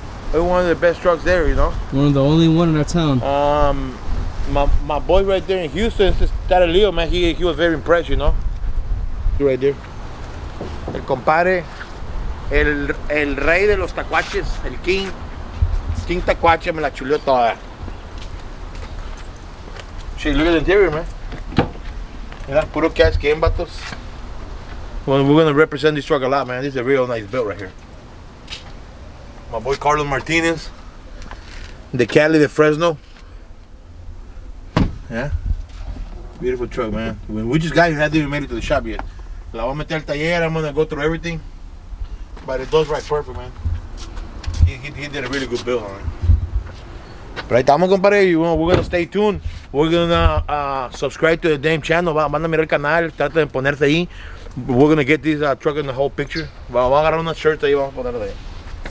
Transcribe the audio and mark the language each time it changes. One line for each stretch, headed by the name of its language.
English: One of the best trucks there, you know? One of the only one in our town. My boy right there in Houston, Tata Leo, man, he was very impressed, you know? Right there.
Spanish: El compadre, el rey de los tacuaches, el king. King tacuache me la chuleó toda.
English: Shit, look at the interior, man. Yeah,
Spanish: puro
English: cash game, batos. Well, we're gonna represent this truck a lot, man. This is a real nice build right here. My boy Carlos Martinez, the Cali, the Fresno. Yeah, beautiful truck, man. We just got here, hadn't even made it to the shop yet.
Spanish: La voy a meter al taller,
English: I'm gonna go through everything. But it does right perfect, man. He did a really good build, man. Right,
Spanish: estamos, compadre.
English: We're gonna stay tuned. We're gonna subscribe to the damn channel.
Spanish: Van a mirar el canal, traten de ponerse ahí.
English: We're gonna get this truck in the whole picture.
Spanish: Vamos a agarrar unas shirts ahí, vamos a ponerle ahí.